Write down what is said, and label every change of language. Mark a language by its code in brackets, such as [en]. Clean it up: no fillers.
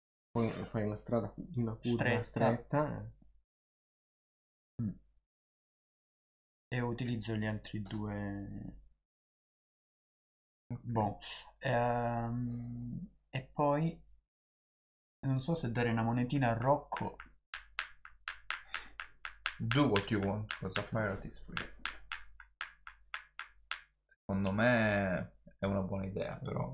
[it] Poi fai una strada, una curva stretta. E utilizzo gli altri 2. E poi non so se dare una monetina a Rocco. [en] Do what you want, because a pirate is free. [it] Secondo me è una buona idea, però.